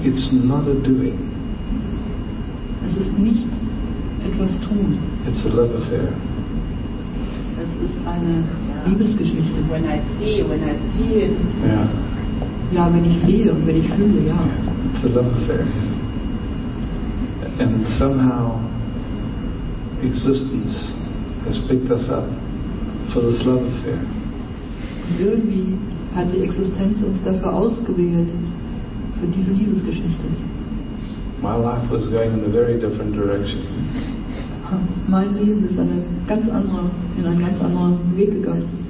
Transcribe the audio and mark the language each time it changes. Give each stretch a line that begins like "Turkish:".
English: It's not a doing.
German: Es ist nicht etwas tun.
English: It's a love affair.
German: Es ist eine Liebesgeschichte.
English: When I see, when I feel.
German: Ja, wenn ich sehe und wenn ich fühle, ja.
English: It's a love affair. And somehow existence has picked us up for this love affair.
German: Irgendwie hat die Existenz uns dafür ausgewählt, für diese Liebesgeschichte.
English: My life was going in a very different direction.
German: Mein Leben ist eine ganz andere, in einen ganz anderen Weg gegangen.